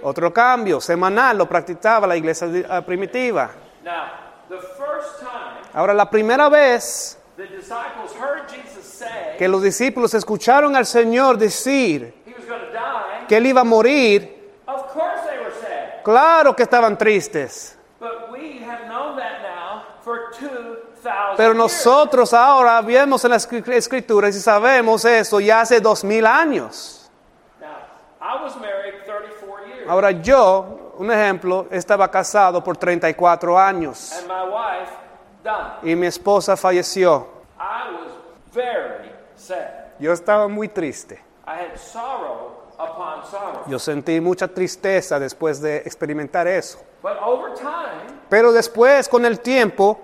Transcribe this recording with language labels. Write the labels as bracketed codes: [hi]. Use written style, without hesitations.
[es] Otro cambio, semanal, lo practicaba la iglesia primitiva. [en] Now, the first time, [es] ahora, la primera vez [en] the disciples heard Jesus say, [es] que los discípulos escucharon al Señor decir [en] he was gonna die, [es] que Él iba a morir, [en] of course they were sad. [es] Claro que estaban tristes. [en] But we have known that now for 2,000 [es] pero nosotros [en] years. [es] Ahora vemos en las Escrituras y sabemos eso ya hace 2,000 años. [en] Now, I was married 34 years. [es] Ahora yo... Un ejemplo, estaba casado por 34 años. [en] And my wife died. [es] Y mi esposa falleció. [en] I was very sad. [es] Yo estaba muy triste. [en] I had sorrow upon sorrow. [es] Yo sentí mucha tristeza después de experimentar eso. [en] But over time, [es] pero después, con el tiempo,